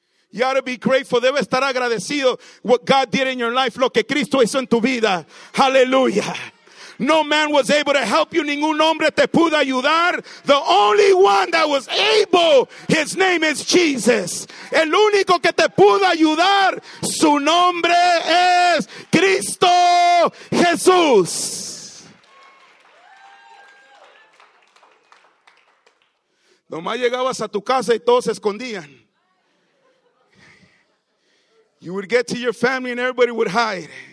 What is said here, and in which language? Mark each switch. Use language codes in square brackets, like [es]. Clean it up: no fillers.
[en] You ought to be grateful. [es] Debe estar agradecido [en] what God did in your life. [es] Lo que Cristo hizo en tu vida. [en] Hallelujah. No man was able to help you. [es] Ningún hombre te pudo ayudar. [en] The only one that was able, his name is Jesus. [es] El único que te pudo ayudar, su nombre es Cristo Jesús. Nomás llegabas a tu casa y todos se escondían. [en] You would get to your family and everybody would hide.